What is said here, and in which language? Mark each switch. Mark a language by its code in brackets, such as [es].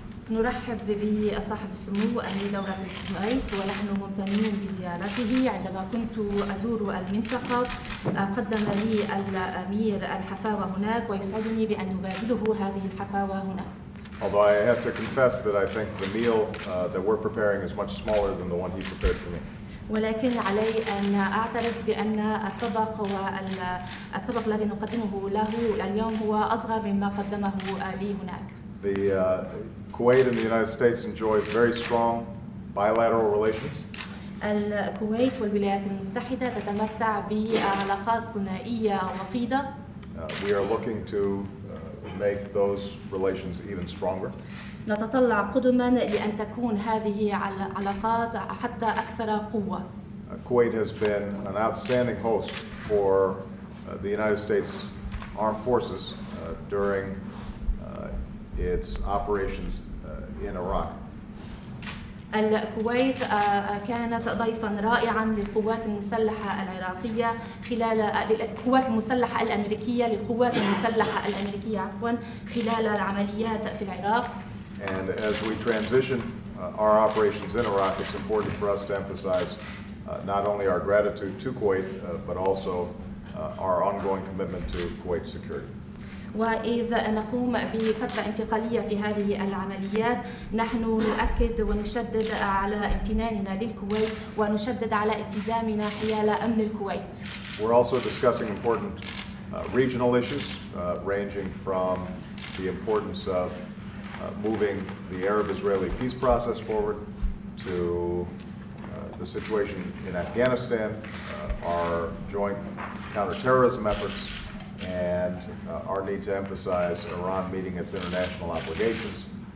[ar] نرحب به صاحب السمو أمير دولة الكويت ونحن ممتنين بزيارته عندما كنت أزور المنطقة قدم لي الأمير الحفاوة هناك ويسعدني بأن أبادله هذه الحفاوة هنا. [en] Although I have to confess that I think the meal that we're preparing is much smaller than the one he prepared for me. [ar] ولكن علي أن أعترف بأن الطبق والطبق الذي نقدمه له اليوم هو أصغر مما قدمه لي هناك. [en] Kuwait and the United States enjoy very strong bilateral relations. [ar] الكويت والولايات المتحدة تتمتع بعلاقات ثنائية وطيدة. [en] We are looking to make those relations even stronger. [ar] نتطلع قدما لأن تكون هذه العلاقات حتى أكثر قوة. [en] Kuwait has been an outstanding host for the United States Armed Forces during its operations in Iraq. [ar] الكويت كانت ضيفا رائعا للقوات المسلحة العراقية خلال القوات المسلحة الأمريكية للقوات المسلحة الأمريكية عفوا خلال العمليات في العراق. [en] And as we transition our operations in Iraq, it's important for us to emphasize not only our gratitude to Kuwait, but also our ongoing commitment to Kuwait's security. [ar] وإذا نقوم بفترة انتقالية في هذه العمليات نحن نؤكد ونشدد على امتناننا للكويت ونشدد على التزامنا حيال أمن الكويت. [en] We're also discussing important regional issues ranging from the importance of moving the Arab-Israeli peace process forward to the situation in Afghanistan, our joint counterterrorism efforts, and our need to emphasize Iran meeting its international obligations.